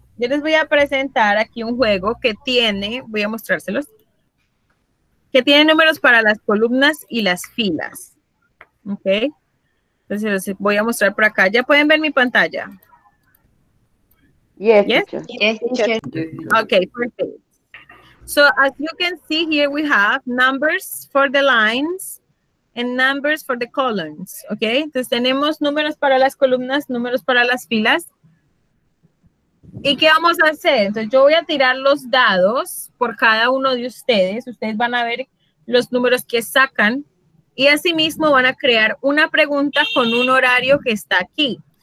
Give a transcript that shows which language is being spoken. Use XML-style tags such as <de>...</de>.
<es>Yo les voy a presentar aquí un juego que tiene, voy a mostrárselos, que tiene números para las columnas y las filas. ¿Ok? Entonces, les voy a mostrar por acá. ¿Ya pueden ver mi pantalla?</es> <en>Yes. Yes. Okay, perfect. So, as you can see here, we have numbers for the lines and numbers for the columns, ¿ok?</en> <es>Entonces tenemos números para las columnas, números para las filas. ¿Y qué vamos a hacer? Entonces yo voy a tirar los dados por cada uno de ustedes. Ustedes van a ver los números que sacan y asimismo van a crear una pregunta con un horario que está aquí.</es>